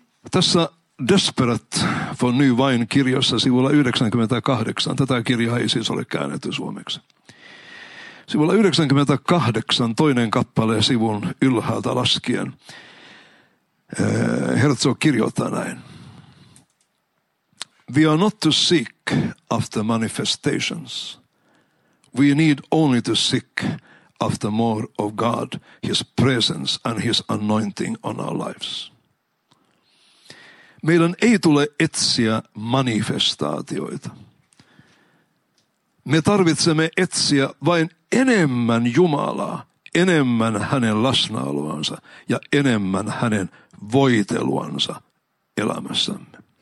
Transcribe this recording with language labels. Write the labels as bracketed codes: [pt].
[fi] Tässä Desperate von Nywain kirjassa sivulla 98, tätä kirjaa ei siis ole käännetty suomeksi. Sivulla 98, toinen kappale sivun ylhäältä laskien, Herzog kirjoittaa näin. [en] We are not to seek after manifestations. We need only to seek after more of God, his presence and his anointing on our lives. [fi] Meidän ei tule etsiä manifestaatioita. Me tarvitsemme etsiä vain enemmän Jumalaa, enemmän hänen läsnäoloansa ja enemmän hänen voiteluansa elämässämme.